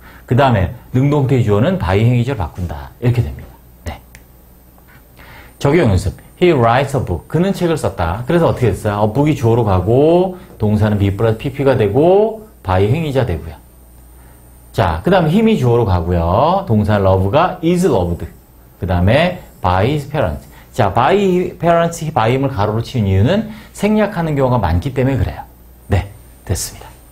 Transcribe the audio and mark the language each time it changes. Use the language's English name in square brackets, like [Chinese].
[Korean] 그 다음에 능동태 주어는 by 행위자로 바꾼다. 이렇게 됩니다. 네. 적용 연습. [English] He writes a book. [Korean] 그는 책을 썼다. 그래서 어떻게 됐어요? 어, book이 주어로 가고 동사는 be plus pp가 되고 by 행위자 되고요. 자, 그 다음에 힘이 주어로 가고요. 동사 love가 is loved. 그 다음에 [English] by his parents. [Korean] 자, by parents, by임을 가로로 치는 이유는 생략하는 경우가 많기 때문에 그래요. 네, 됐습니다.